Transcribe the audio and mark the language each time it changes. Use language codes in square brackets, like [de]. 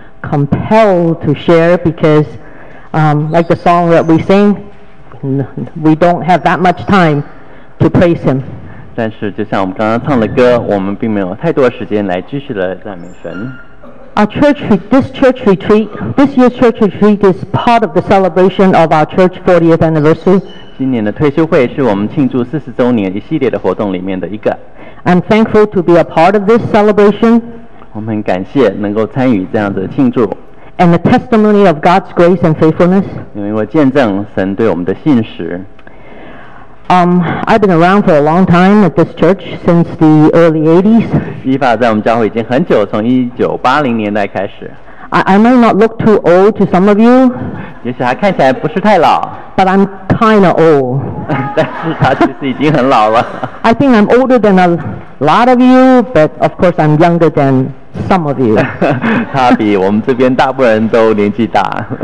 [en] Compelled to share because, like the song that we sing, we don't have that much time to praise Him. [zh] 但是就像我们刚刚唱的歌，我们并没有太多时间来继续的赞美神。 [en] Our church, this church retreat, this year's church retreat is part of the celebration of our church 40th anniversary. [zh] 今年的退休会是我们庆祝四十周年一系列的活动里面的一个。 [en] I'm thankful to be a part of this celebration. [zh] 我们很感谢能够参与这样的庆祝。 [en] And the testimony of God's grace and faithfulness. [zh] 因为我见证神对我们的信实。 [en] I've been around for a long time at this church since the early 80s. [zh] 伊法在我们教会已经很久，从1980年代开始。 [en] I might not look too old to some of you. [zh] 也许他看起来不是太老。 [en] But I'm kind of old. [zh] 但是他其实已经很老了。 [en] I think I'm older than a lot of you, but of course I'm younger than some of you. [zh] 他比我们这边大部分人都年纪大。